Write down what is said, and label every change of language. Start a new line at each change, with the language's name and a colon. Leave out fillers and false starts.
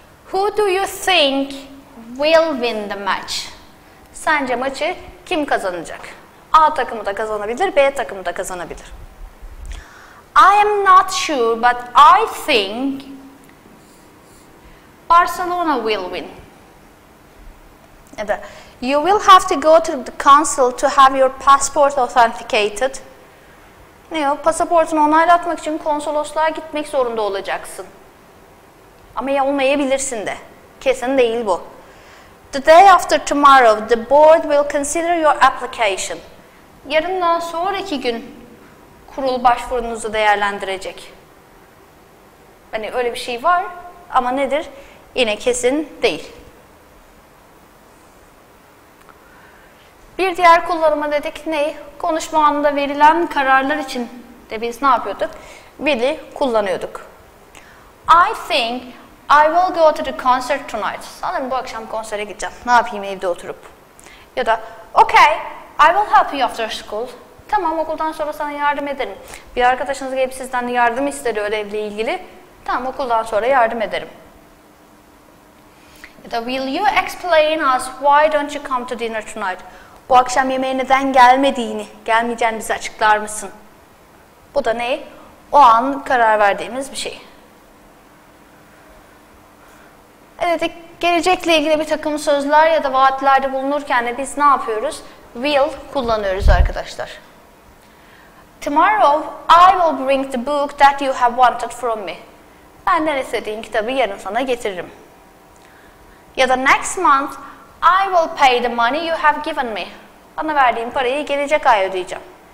English: Who do you think will win the match?
Turkish: Sence maçı kim kazanacak? A takımı da kazanabilir, B takımı da kazanabilir.
English: I am not sure, but I think Barcelona will win.
Turkish: Evet.
English: You will have to go to the consul to have your passport authenticated.
Turkish: Ne o? Pasaportunu onaylatmak için konsolosluğa gitmek zorunda olacaksın. Ama ya olmayabilirsin de. Kesin değil bu.
English: The day after tomorrow, the board will consider your application.
Turkish: Yarından sonraki gün kurul başvurunuzu değerlendirecek. Hani öyle bir şey var ama nedir? Yine kesin değil. Bir diğer kullanıma dedik ne? Konuşma anında verilen kararlar için de biz ne yapıyorduk? Will'i kullanıyorduk.
English: I think I will go to the concert tonight.
Turkish: Sanırım bu akşam konsere gideceğim. Ne yapayım evde oturup? Ya da
English: okay, I will help you after school.
Turkish: Tamam, okuldan sonra sana yardım ederim. Bir arkadaşınız gelip sizden yardım ister ödevle ilgili. Tamam, okuldan sonra yardım ederim. Ya da
English: will you explain us why don't you come to dinner tonight?
Turkish: Bu akşam yemeğe neden gelmediğini, gelmeyeceğini bize açıklar mısın? Bu da ne? O an karar verdiğimiz bir şey. Evet, gelecekle ilgili bir takım sözler ya da vaatlerde bulunurken de biz ne yapıyoruz? Will kullanıyoruz arkadaşlar.
English: Tomorrow I will bring the book that you have wanted from me.
Turkish: Benden istediğin kitabı yarın sana getiririm. Ya da
English: next month I will pay the money you have given me.
Turkish: Bana verdiğin parayı gelecek ay ödeyeceğim.